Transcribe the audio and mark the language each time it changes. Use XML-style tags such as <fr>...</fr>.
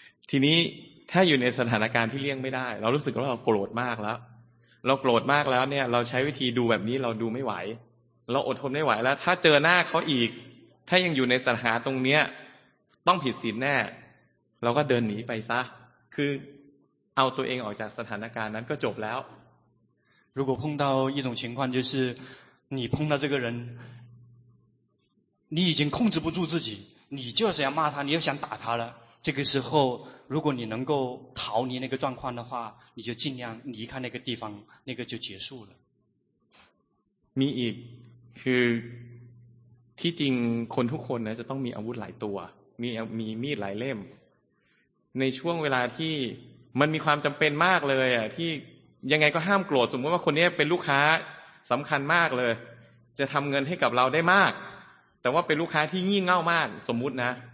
<th>ทีนี้ถ้าอยู่ในสถานการณ์ที่เลี่ยงไม่ได้เรารู้สึกว่าเราโกรธมากแล้วเราโกรธมากแล้วเนี่ยเราใช้วิธีดูแบบนี้เราดูไม่ไหวเราอดทนไม่ไหวแล้วถ้าเจอหน้าเขาอีกถ้ายังอยู่ในสถานะตรงเนี้ยต้องผิดศีลแน่เราก็เดินหนีไปซะคือเอาตัวเองออกจากสถานการณ์นั้นก็จบแล้ว</th> <zh>如果碰到一种情况就是你碰到这个人你已经控制不住自己你就是要骂他你又想打他了这个时候如果你能够逃离那个状况的话你就尽量离开那个地方那个就结束了</zh> <th>มีอีกคือที่จริงคนทุกคนนะจะต้องมีอาวุธหลายตัวมีมีดหลายเล่มในช่วงเวลาที่มันมีความจำเป็นมากเลยอ่ะที่ยังไงก็ห้ามโกรธสมมติว่าคนนี้เป็นลูกค้าสำคัญมากเลยจะทำเงินให้กับเราได้มากแต่ว่าเป็นลูกค้าที่งี่เง่ามากสมมตินะ</th>